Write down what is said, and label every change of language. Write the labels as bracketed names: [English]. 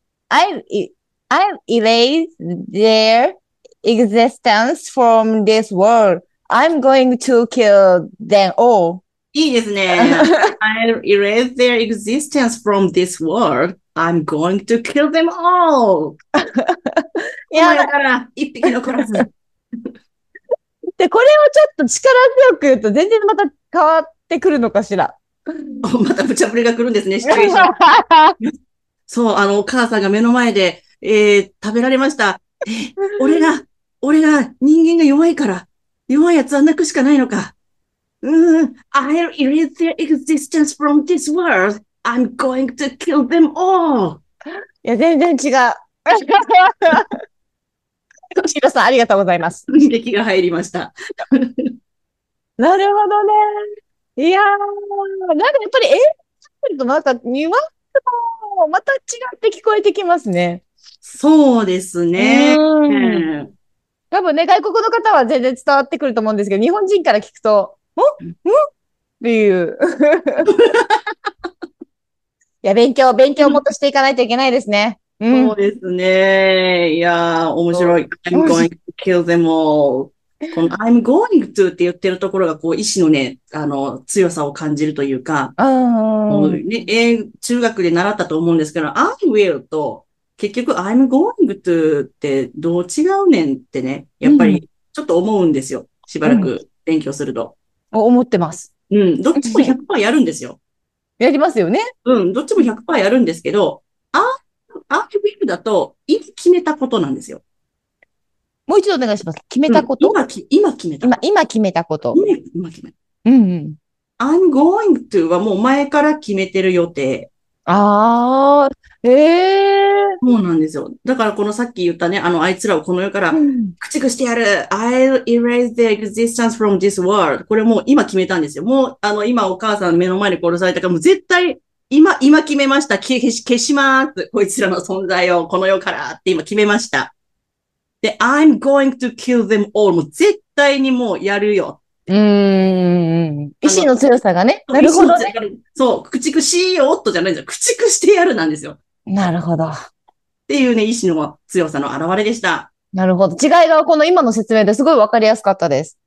[English] I'll erase their existence from this world. I'm going to kill them all. [Japanese] いいですね。 [English] I'll erase their existence from this world. I'm going to kill them all. [Japanese] いやだから一匹残らず。で、これをちょっと力強く言うと全然また変わってくるのかしら。また無茶ぶりが来るんですね。失礼します。そう、あのお母さんが目の前で、食べられました。俺が人間が弱いから弱いやつはなくしかないのか。 [English] I read their existence from this world. I'm going to kill them all. [Japanese] いや、全然違う。シロさん、ありがとうございます。劇が入りました。なるほどね。いやー、なんかやっぱり映画見るとまたニュアンスもまた違って聞こえてきますね。そうですね。多分ね、外国の方は全然伝わってくると思うんですけど、日本人から聞くと、っていう。いや、勉強もっとしていかないといけないですね。うん、そうですね。いやー、面白い。 [English] I'm going to kill them all. [Japanese] この [English] I'm going to [Japanese] って言ってるところが、こう、意志のね、強さを感じるというか、ね、中学で習ったと思うんですけど、 [English] I will [Japanese] と、結局 I'm going to ってどう違うねんってね、やっぱりちょっと思うんですよ。しばらく勉強すると。うん、思ってます。うん、どっちも 100% やるんですよ。やりますよね。うん、どっちも 100% やるんですけど、アーキビルだと、今決めたことなんですよ。もう一度お願いします。決めたこと、うん、今決めた。今決めたこと。今決めた。うんうん。 [English] I'm going to [Japanese] はもう前から決めてる予定。ああ、ええー。そうなんですよ。だからこのさっき言ったね、あいつらをこの世から駆逐してやる。 [English] うん、I'll erase their existence from this world. [Japanese] これもう今決めたんですよ。もう、今お母さん目の前に殺されたから、もう絶対、今決めました。消します。こいつらの存在をこの世からって今決めました。 [English] で、I'm going to kill them all. [Japanese] もう絶対にもうやるよ。意志の強さがね。なるほど、ね。そう、駆逐しよっとじゃないんですよ。駆逐してやるなんですよ。なるほど。っていうね、意志の強さの表れでした。なるほど。違いがこの今の説明ですごいわかりやすかったです。